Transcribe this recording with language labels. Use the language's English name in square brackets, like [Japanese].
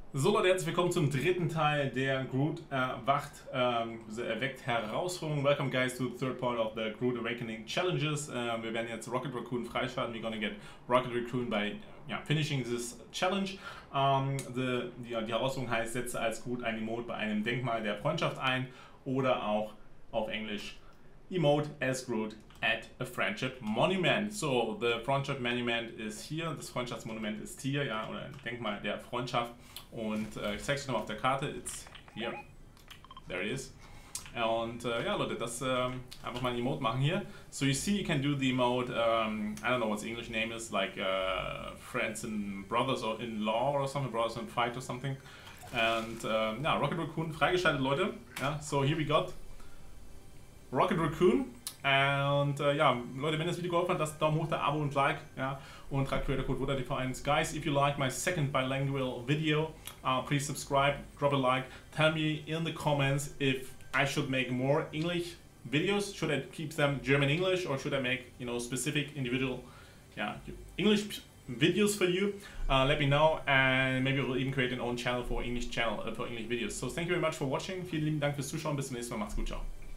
[German] So Leute, herzlich willkommen zum dritten Teil der Groot erwacht, erweckt Herausforderungen. [English] Welcome guys to the third part of the Groot Awakening Challenges. [German] Wir werden jetzt Rocket Raccoon freischalten. [English] We're gonna get Rocket Raccoon by finishing this challenge. [German] Die Herausforderung heißt Setze als Groot ein Emote bei einem Denkmal der Freundschaft ein oder auch auf Englisch [English] Emote as Groot at a Friendship Monument. So, the Friendship Monument is here. [German] Das Freundschaftsmonument ist hier, ja, oder ein Denkmal der Freundschaft. Und ich zeige es nochmal auf der Karte. [English] It's here. There it is. [German] Und ja, Leute, das einfach mal ein Emote machen hier. [English] So you see, you can do the emote, I don't know what the English name is, like friends and brothers or in-law or something, brothers and fight or something. And ja, Rocket Raccoon [German] freigeschaltet, Leute. Ja, [English] so here we got Rocket Raccoon. [German] Und ja, Leute, wenn ihr das Video gefallen hat, lasst Daumen hoch, da Abo und Like, ja, und tragt Creator-Code WOTATV1. [English] Guys, if you like my second bilingual video, please subscribe, drop a like, tell me in the comments if I should make more English videos, should I keep them German-English, or should I make, you know, specific individual, English videos for you, let me know, and maybe we'll even create an own channel for English videos. So thank you very much for watching, [German] vielen lieben Dank fürs Zuschauen, bis zum nächsten Mal, macht's gut, ciao.